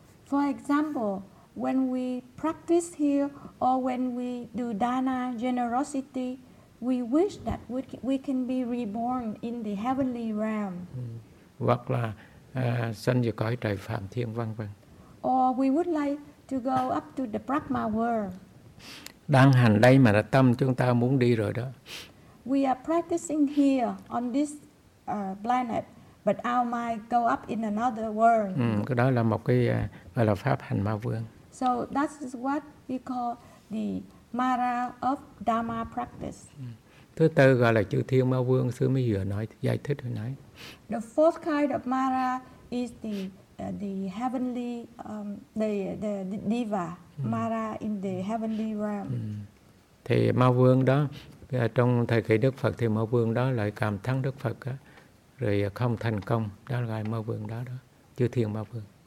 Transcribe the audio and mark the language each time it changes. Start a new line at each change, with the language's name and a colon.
English: For example, when we practice here or when we do dana, generosity, we wish that we can be reborn in the heavenly realm.
Vietnamese: Hoặc là sanh về cõi trời phạm thiên, vân vân.
English: Or we would like to go up to the Brahma world.
Vietnamese: Đang hành đây mà là tâm chúng ta muốn đi rồi đó.
English: We are practicing here on this planet, but our mind go up in another world.
Vietnamese: Cái đó là một cái gọi là pháp hành Ma Vương.
English: So that is what we call the Mara of Dharma practice.
Vietnamese: Thứ tư gọi là chư thiên Ma Vương, sư mới vừa nói giải thích hồi nãy.
English: The fourth kind of Mara is the heavenly the diva Mara in the heavenly realm.
Vietnamese: Thì Ma Vương đó, trong thời kỳ Đức Phật thì Ma Vương đó lại cảm thắng Đức Phật đó, rồi không thành công, đó là Ma Vương đó đó, chư thiên Ma Vương.